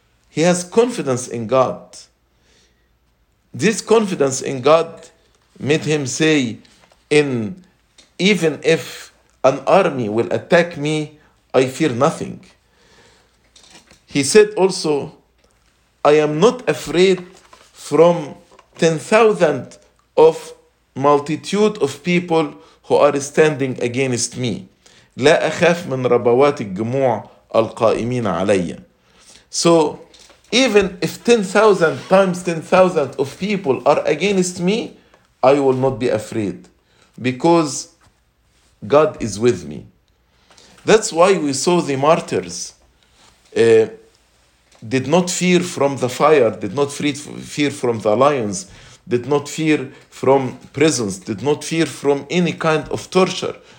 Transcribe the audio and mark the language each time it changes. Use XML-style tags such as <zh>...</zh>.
<en>He has confidence in God. This confidence in God made him say, even if an army will attack me, I fear nothing. He said also, I am not afraid from 10,000 of multitude of people who are standing against me.</en> <ar>لا أخاف من ربوات الجموع القائمين علي.</ar> <en>So even if 10,000 times 10,000 of people are against me, I will not be afraid because God is with me. That's why we saw the martyrs did not fear from the fire, did not fear from the lions, did not fear from prisons, did not fear from any kind of torture.</en>